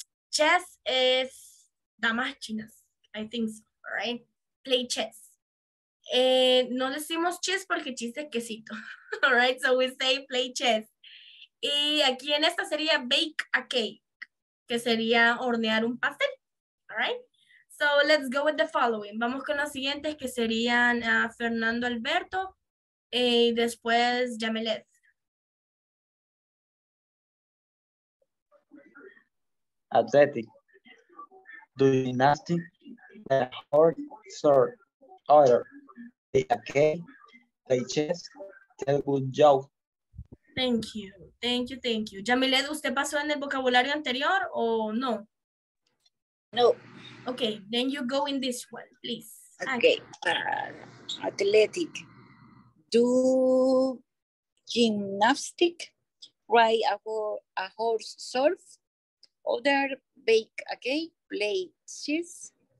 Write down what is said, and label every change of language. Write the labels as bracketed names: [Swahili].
[English] Chess is damas chinas. I think so, right? Play chess. [Spanish] No decimos chess porque chess es quesito. [English] All right, so we say play chess. [Spanish] Y aquí en esta sería [English] bake a cake, [Spanish] que sería hornear un pastel. [English] All right, so let's go with the following. [Spanish] Vamos con los siguientes que serían Fernando Alberto y después Yamilet. [English] Athletic. Do you nasty? Horse or other, okay, play chess, tell good joke. Thank you, thank you, thank you. [Spanish] Yamilet, ¿usted pasó en el vocabulario anterior o no? No. [English] Okay, then you go in this one, please. Okay, athletic, do gymnastic, ride a horse, surf, other, bake, okay, play chess.